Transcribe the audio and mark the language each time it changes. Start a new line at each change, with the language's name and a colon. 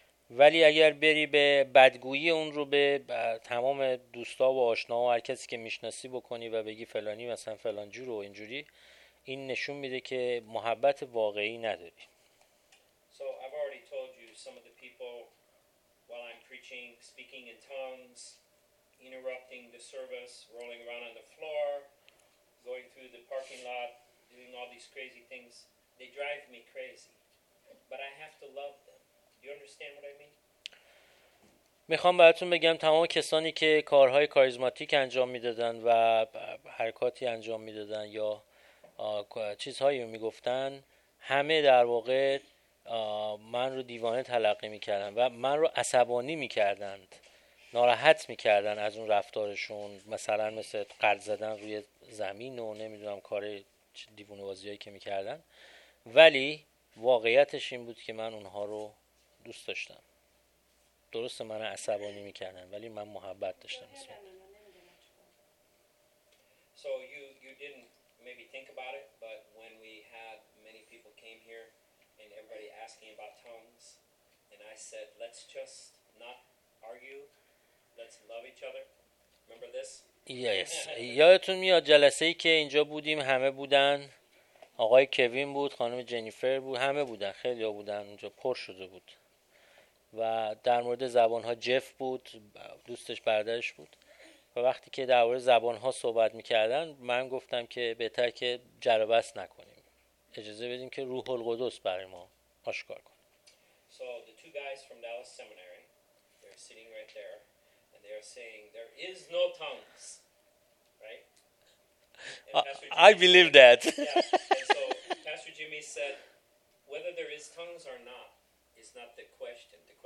Persian: ولی اگر بری به بدگویی اون رو به تمام دوستا و آشنا و هر کسی که میشناسی بکنی و بگی فلانی مثلا فلان جور و اینجوری، این نشون میده که محبت واقعی نداری.
English: So I've already told you some of the people while I'm preaching speaking in tongues, interrupting the service, rolling around on the floor, going through the parking lot, doing all these crazy things. They drive me crazy. But I have to love them.
Persian: میخوام براتون بگم تمام کسانی که کارهای کاریزماتیک انجام میدادن و حرکاتی انجام میدادن یا چیزهایی رو میگفتن، همه در واقع من رو دیوانه تلقی میکردن و من رو عصبانی میکردند، ناراحت میکردن از اون رفتارشون، مثلا مثل قرض زدن روی زمین و نمیدونم کار دیوانه بازیایی که میکردن، ولی واقعیتش این بود که من اونها رو دوست داشتم. درسته من عصبانی میکردن ولی من محبت داشتم.
English: So you didn't maybe think about it, but when we had many people came here and everybody asking about tongues and I said let's just not argue, let's love each other. Remember this? Yes.
Persian: یادتون میاد جلسه ای که اینجا بودیم، همه بودن، آقای کوین بود، خانم جنیفر بود، همه بودن، خیلی ها بودن، اونجا پر شده بود و در مورد زبان ها جف بود، دوستش، برادرش بود، و وقتی که در مورد زبان ها صحبت میکردن من گفتم که بهتر که جر و بس نکنیم، اجازه بدیم که روح القدس برای ما آشکار کنه.
English: So the two guys from Dallas Seminary, they're sitting right there and they are saying there is no tongues, right? I believe that. Yeah. And so Pastor Jimmy said whether there is tongues or not is not the question.